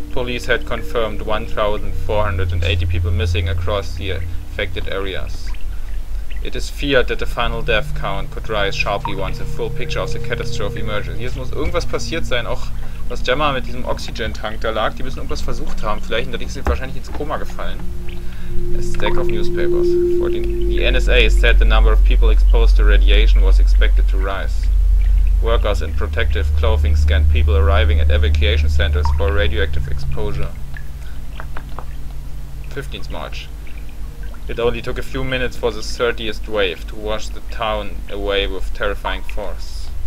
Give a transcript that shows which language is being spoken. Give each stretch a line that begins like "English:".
English: Police had confirmed 1,480 people missing across the affected areas. It is feared that the final death count could rise sharply once a full picture of the catastrophe emerges.
German: Hier muss irgendwas passiert sein, auch was Gemma mit diesem Oxygen-Tank da lag. Die müssen irgendwas versucht haben, vielleicht, und dadurch sind sie wahrscheinlich ins Koma gefallen.
English: A stack of newspapers. The NSA said the number of people exposed to radiation was expected to rise. Workers in protective clothing scanned people arriving at evacuation centers for radioactive exposure. 15th March. It only took a few minutes for the 30th wave to wash the town away with terrifying force.